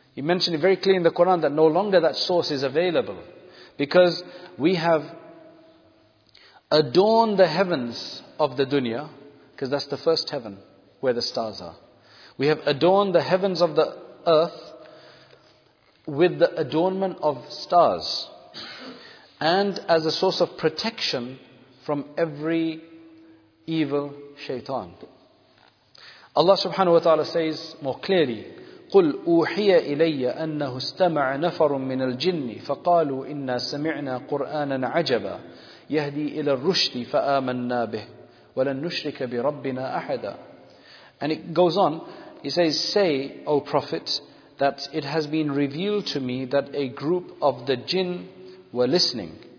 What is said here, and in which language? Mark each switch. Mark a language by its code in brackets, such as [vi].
[en] He mentioned it very clear in the Quran that no longer that source is available, because we have adorned the heavens of the dunya, because that's the first heaven where the stars are. We have adorned the heavens of the earth with the adornment of stars, and as a source of protection from every evil shaitan. [ar] Allah subhanahu wa ta'ala [en] says more clearly, [ar] قُلْ أُوحِيَ إِلَيَّ أَنَّهُ اسْتَمَعَ نَفَرٌ مِّنَ الْجِنِّ فَقَالُوا إِنَّا سَمِعْنَا قُرْآنًا عَجَبًا يَهْدِي إِلَى الرُّشْدِ فَآمَنَّا بِهِ وَلَنْ نُشْرِكَ بِرَبِّنَا أَحَدًا. [en] And it goes on, he says, say, O Prophet, that it has been revealed to me that a group of the jinn were listening.